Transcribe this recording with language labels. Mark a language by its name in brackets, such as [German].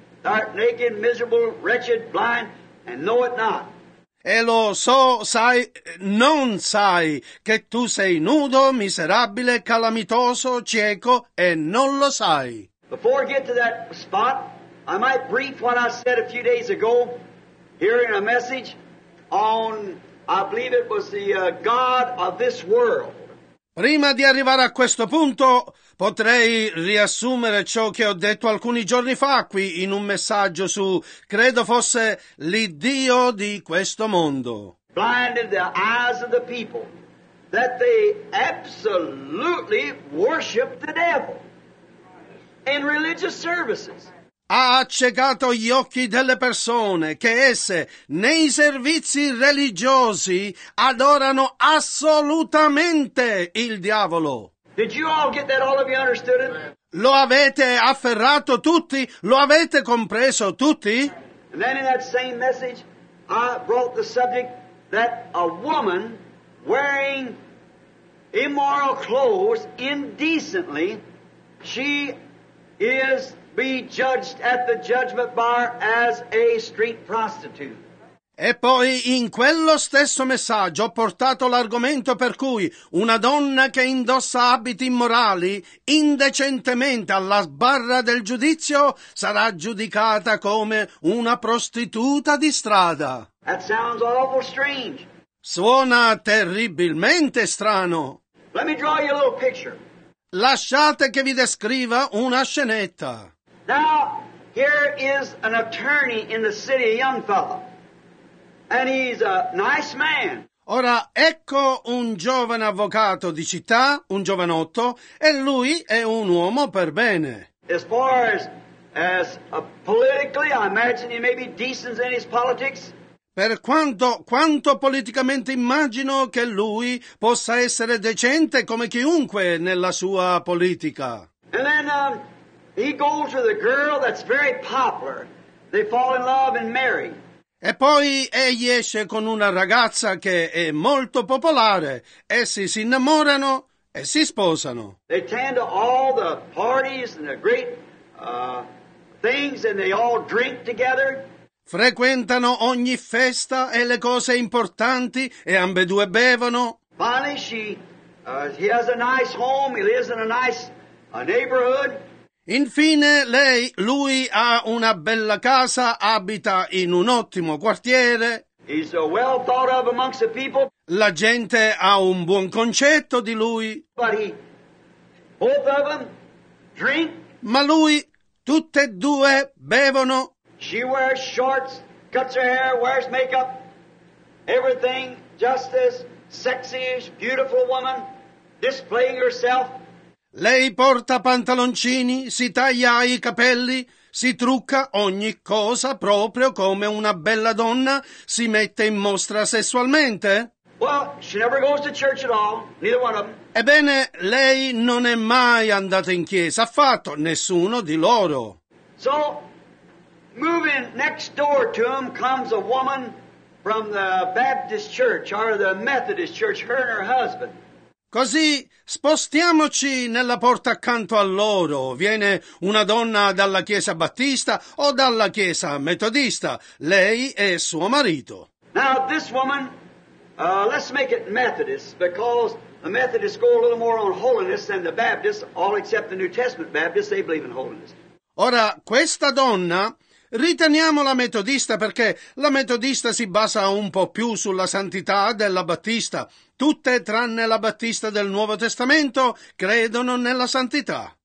[English] Thou art naked, miserable, wretched, blind, and know it not. [Italian] E lo so, sai, non sai, che tu sei nudo, miserabile, calamitoso, cieco, e non lo sai. [English] Before I get to that spot, I might brief what I said a few days ago, here in a message on, I believe it was the God of this world. [Italian] Prima di arrivare a questo punto, potrei riassumere ciò che ho detto alcuni giorni fa qui in un messaggio su, credo fosse l'Iddio di questo mondo. [English] Blinded the eyes of the people, that they absolutely worship the devil. In religious services. [Italian] Ha accecato gli occhi delle persone che esse nei servizi religiosi adorano assolutamente il diavolo. [English] Did you all get that? All of you understood it? [Italian] Lo avete afferrato tutti? Lo avete compreso tutti? [English] And then in that same message I brought the subject that a woman wearing immoral clothes indecently, she is be judged at the judgment bar as a street prostitute. [Italian] E poi in quello stesso messaggio ho portato l'argomento per cui una donna che indossa abiti immorali indecentemente alla barra del giudizio sarà giudicata come una prostituta di strada. [English] That sounds awful strange. [Italian] Suona terribilmente strano. [English] Let me draw you a little picture. [Italian] Lasciate che vi descriva una scenetta. [English] Now, here is an attorney in the city, a young fellow, and he's a nice man. [Italian] Ora, ecco un giovane avvocato di città, un giovanotto, e lui è un uomo per bene. [English] As far as as politically, I imagine he may be decent in his politics. [Italian] Per quanto politicamente immagino che lui possa essere decente come chiunque nella sua politica. [English] And then he goes with a girl that's very popular. They fall in love and marry. [Italian] E poi egli esce con una ragazza che è molto popolare. Essi si innamorano e si sposano. [English] They attend all the parties and the great things and they all drink together. [Italian] Frequentano ogni festa e le cose importanti e ambedue bevono. [English] Finally, he has a nice home, he lives in a nice neighborhood. [Italian] Infine, lui ha una bella casa, abita in un ottimo quartiere. [English] He's well thought of amongst the people. [Italian] La gente ha un buon concetto di lui. [English] But both of them drink. [Italian] Ma lui, tutte e due bevono. [English] She wears shorts, cuts her hair, wears makeup, everything just as sexy, beautiful woman, displaying herself. [Italian] Lei porta pantaloncini, si taglia i capelli, si trucca ogni cosa proprio come una bella donna, si mette in mostra sessualmente. [English] Well, she never goes to church at all, neither one of them. [Italian] Ebbene, lei non è mai andata in chiesa affatto, nessuno di loro. [English] So, moving next door to him comes a woman from the Baptist church or the Methodist church, her and her husband. [Italian] Così spostiamoci nella porta accanto a loro. Viene una donna dalla chiesa battista o dalla chiesa metodista. Lei e suo marito. [English] Now this woman, let's make it Methodist because the Methodists go a little more on holiness than the Baptists, all except the New Testament Baptists, they believe in holiness. [Italian] Ora questa donna, riteniamola metodista perché la metodista si basa un po' più sulla santità della battista. Tutte tranne la battista del Nuovo Testamento credono nella santità.